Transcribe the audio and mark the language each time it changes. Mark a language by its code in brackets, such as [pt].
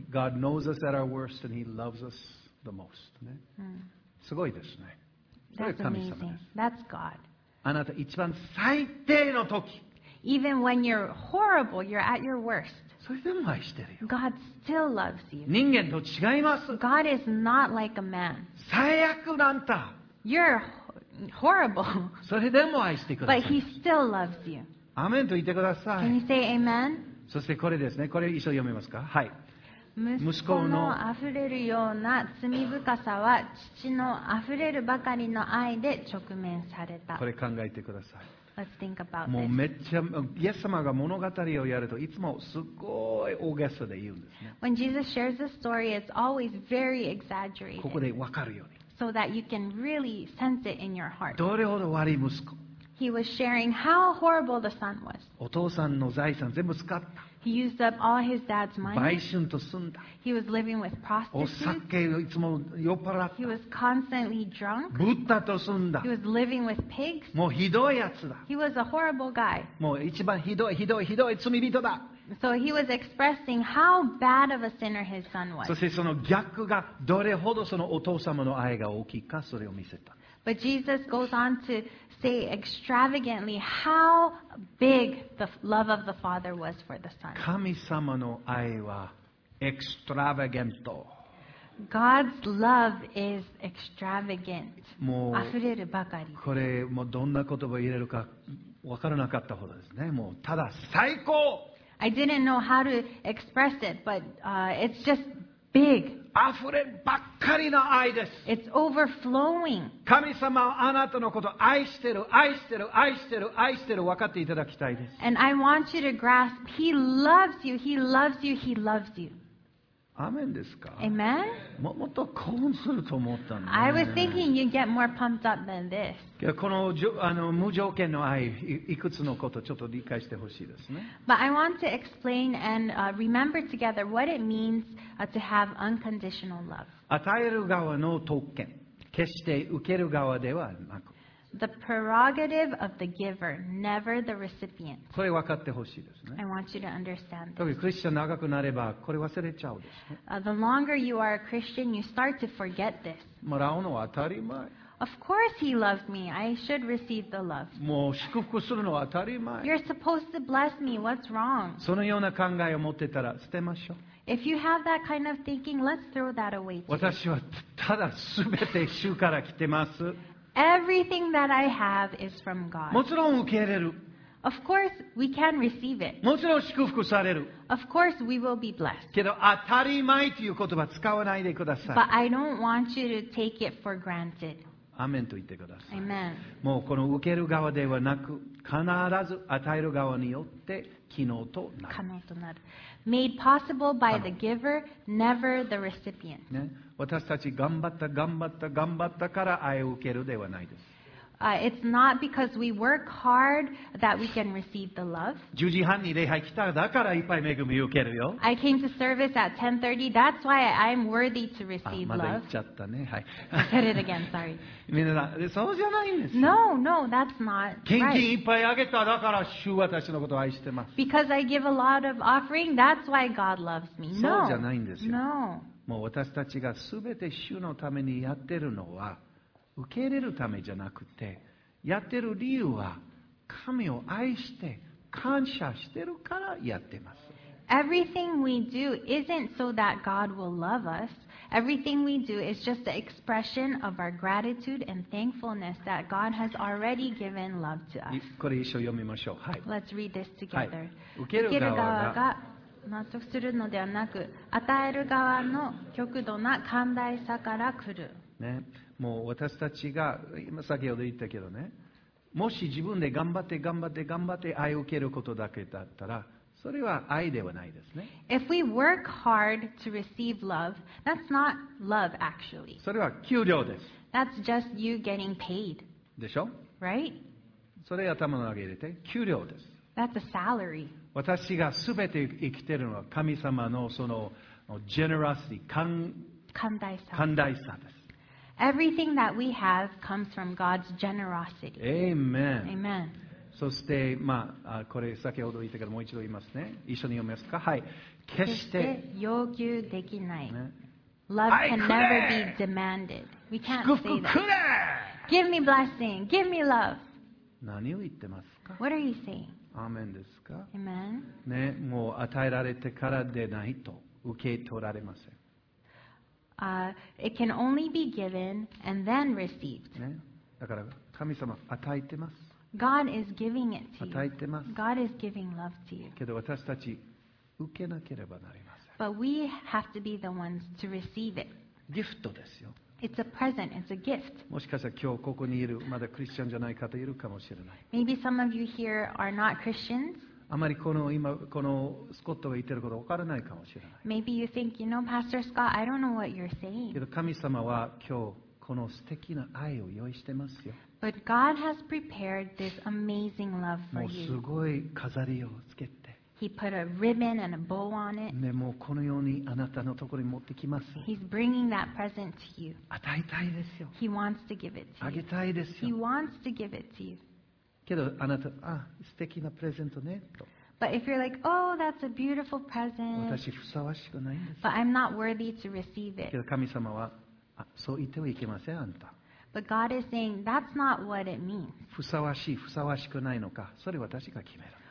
[en] God knows us at our worst and He loves us the most. [ja] ね。すごいですね。 [en] That's amazing. That's God. [ja] あなた一番最低の時。 [en] Even when you're horrible, you're at your worst. [ja] それでも愛してるよ。 [en] God still loves you. [ja] 人間と違います。 [en] God is not like a man. [ja] 最悪なんだ。 [en] You're horrible. [ja] それでも愛してください。 [en] But He still loves you. [ja] アメンと言ってください。 Can you say amen? そしてこれですね。これ一緒に読めますか。はい。息子の溢れるような罪深さは父の溢れるばかりの愛で直面された。これ考えてください。 [en] Let's think about this. [ja] もうめっちゃイエス様が物語をやるといつもすごい大げさで言うんですね。 [en] When Jesus shares a story, it's always very exaggerated. [ja] ここで分かるように。 [en] So that you can really sense it in your heart. [ja] どれほど悪い息子。 [en] He was sharing how horrible the son was. [ja] お父さんの財産全部使った。 [en] He used up all his dad's money. [ja] 売春と住んだ。 [en] He was living with prostitutes. [ja] お酒をいつも酔っ払った。 [en] He was constantly drunk. [ja] ブッダと住んだ。 [en] He was living with pigs. [ja] もうひどいやつだ。 [en] He was a horrible guy. [ja] もう一番ひどいひどいひどい罪人だ。 [en] So he was expressing how bad of a sinner his son was. [ja] そしてその逆がどれほどそのお父様の愛が大きいかそれを見せた。 [en] But Jesus goes on to say extravagantly how big the love of the Father was for the Son. [ja] 神様の愛は extravagant. [en] God's love is extravagant. [ja] もう溢れるばかり。これもうどんな言葉を入れるか分からなかったほどですね。もうただ最高。 [en] I didn't know how to express it, but it's just big. [ja] 溢ればっかりの愛です。 [en] It's overflowing. [ja] 神様はあなたのこと愛してる、愛してる、愛してる、愛してる、分かっていただきたいです。 [en] And I want you to grasp, He loves you, He loves you, He loves you. [ja] アーメンですか。 [en] Amen. [ja] もっと興奮すると思ったんだ、 [en] ね。I was thinking you'd get more pumped up than this. [ja] この無条件の愛、いくつのことちょっと理解してほしいですね。 [en] But I want to explain and remember together what it means. To have unconditional love. [ja] 与える側の特権、決して受ける側ではなく。 [en] The prerogative of the giver, never the recipient. [ja] これ分かってほしいですね。 [en] I want you to understand this. [ja] 特にクリスチャン長くなればこれ忘れちゃうですね。 [en] The longer you are a Christian, you start to forget this. [ja] もらうのは当たり前。 [en] Of course he loved me. I should receive the love. [ja] もう祝福するのは当たり前。 [en] You're supposed to bless me. What's wrong? [ja] そのような考えを持ってたら捨てましょう。 [en] If you have that kind of thinking, let's throw that away too. [ja] 私はただ全て主から来てます。 [en] Everything that I have is from God. [ja] もちろん受け入れる。 [en] Of course, we can receive it. [ja] もちろん祝福される。 [en] Of course, we will be blessed. [ja] けど当たり前という言葉使わないでください。 [en] But I don't want you to take it for granted. [ja] アメンと言ってください。 [en] Amen. [ja] もうこの受ける側ではなく、必ず与える側によって機能となる。可能となる。 [en] Made possible by the giver, never the recipient. [ja] ね、私たち頑張った頑張った頑張ったから愛を受けるではないです。 [en] It's not because we work hard that we can receive the love. [ja] 10時半に礼拝来ただからいっぱい恵みを受けるよ。 [en] I came to service at 10:30. That's why I'm worthy to receive love. [ja] まだ言っちゃったね。はい。 [en] Said it again. Sorry. [ja] みんな、そうじゃないんです。 [en] No, no, that's not. [ja] 献金いっぱいあげただから主私のことを愛してます。 [en] Because I give a lot of offering, that's why God loves me. No. [ja] そうじゃないんですよ。 [en] No. [ja] もう私たちがすべて主のためにやってるのは。受け入れるためじゃなくて、やってる理由は神を愛して感謝してるからやってます。 [en] Everything we do isn't so that God will love us. Everything we do is just an expression of our gratitude and thankfulness that God has already given love to us. [ja] これ一緒読みましょう。はい。 [en] Let's read this together. [ja] 受ける側が納得するのではなく、与える側の極度な寛大さから来る。ね。もう私たちが今先ほど言ったけどね、もし自分で頑張って頑張って頑張って愛を受けることだけだったら、それは愛ではないですね。 [en] If we work hard to receive love, that's not love actually. [ja] それは給料です。 [en] That's just you getting paid. [ja] でしょ [en] ？Right? [ja] それ頭の中に入れて、給料です。 [en] That's a salary. [ja] 私がすべて生きてるのは神様のそのgenerosity、寛大さです。 [en] Everything that we have comes from God's generosity. Amen. Amen. [ja] そして、まあ、これ先ほど言ったけどもう一度言いますね。一緒に読みますか。はい。決して要求できない。 [en] ね、Love can never be demanded. We can't say that. [ja] 祝福くれ。 [en] Give me blessing. Give me love. [ja] 何を言ってますか。 [en] What are you saying? [ja] アーメンですか。 [en] Amen. [ja] ね、もう与えられてからでないと受け取られません。 [en] It can only be given and then received. [ja] ね、だから神様与えてます。 [en] God is giving it to you. [ja] 与えてます。 [en] God is giving love to you. [ja] けど私たち受けなければなりません。 [en] But we have to be the ones to receive it. [ja] ギフトですよ。 [en] It's a present. It's a gift. [ja] もしかしたら今日ここにいるまだクリスチャンじゃない方いるかもしれない。 [en] Maybe some of you here are not Christians. [ja] あまりこの今このスコットが言ってることわからないかもしれない。 [en] Maybe you think, you know, Pastor Scott, I don't know what you're saying. [ja] けど神様は今日この素敵な愛を用意してますよ。 [en] But God has prepared this amazing love for you. [ja] もうすごい飾りをつけて。 [en] He put a ribbon and a bow on it. [ja] ね、もうこのようにあなたのところに持ってきます。 [en] He's bringing that present to you. [ja] 与えたいですよ。 [en] He wants to give it to you. [ja] あげたいですよ。 [en] He wants to give it to you. [ja] けどあなた、あ、素敵なプレゼントねと。 [en] But if you're like, oh, that's a beautiful present. [ja] 私ふさわしくないんです。 [en] But I'm not worthy to receive it. [ja] けど神様は、あ、そう言ってはいけません、あんた。 [en] But God is saying that's not what it means. [ja] ふさわしい、ふさわしくないのか、それ私が決める。